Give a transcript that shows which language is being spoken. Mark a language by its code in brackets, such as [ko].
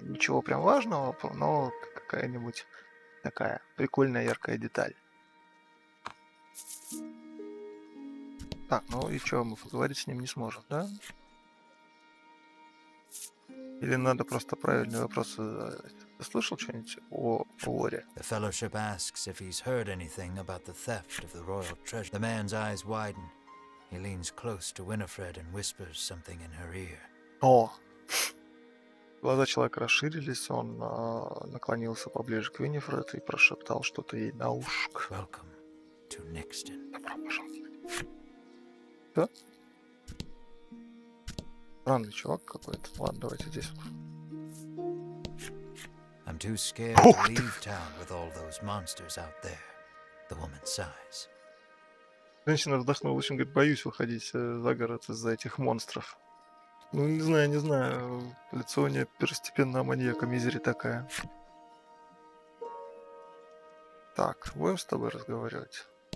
[ru] Ничего прям важного, но какая-нибудь такая прикольная, яркая деталь. Так, ну и что, мы поговорить с ним не сможем, да? Или надо просто правильные вопросы задать? Ты слышал что-нибудь о воре? [en] The fellowship asks if he's heard anything about the theft of the royal treasure. The man's eyes widen. He leans close to Winifred and whispers something in her ear. [ru] О! Глаза человека расширились, он наклонился поближе к Виннифред и прошептал что-то ей на ушко. [en] Welcome to Nexton. [ru] Добро пожаловать. Да? Странный чувак какой-то. Ладно, давайте здесь. [en] I'm too scared to leave town with all those monsters out there. The woman sighs. [ru] Женщина вздохнула, в общем, говорит, боюсь выходить за город из-за этих монстров. Ну, не знаю, не знаю. Лицо у нее первостепенно маньяка, мизери такая. Так, будем с тобой разговаривать.